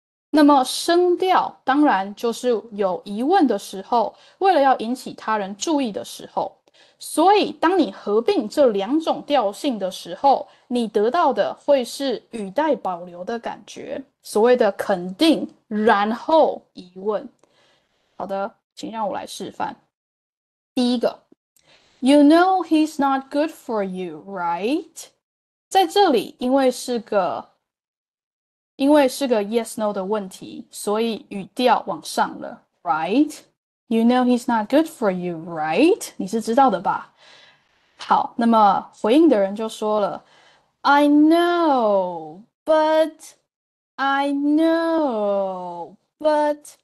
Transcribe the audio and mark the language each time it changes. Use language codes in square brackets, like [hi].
[zh] 那么声调当然就是有疑问的时候，为了要引起他人注意的时候。所以，当你合并这两种调性的时候，你得到的会是语带保留的感觉，所谓的肯定，然后疑问。好的，请让我来示范。第一个， [en] You know he's not good for you, right？ [zh] 在这里，因为是个 yes no 的问题，所以语调往上了，right？ [en] You know he's not good for you, right? [zh] 你是知道的吧？好，那么回应的人就说了， [en] I know, but, I know, but。